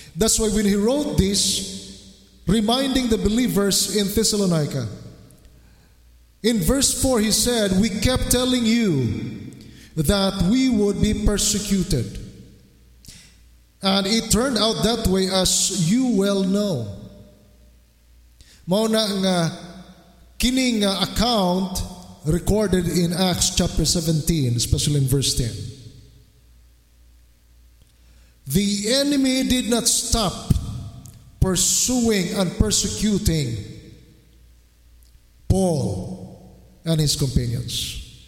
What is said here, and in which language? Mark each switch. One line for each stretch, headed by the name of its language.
English: That's why when he wrote this, reminding the believers in Thessalonica, in verse 4 he said, "We kept telling you that we would be persecuted. And it turned out that way, as you well know."
Cebuano: Mao na nga kini nga account
English: recorded in Acts chapter 17, especially in verse 10. The enemy did not stop pursuing and persecuting Paul and his companions.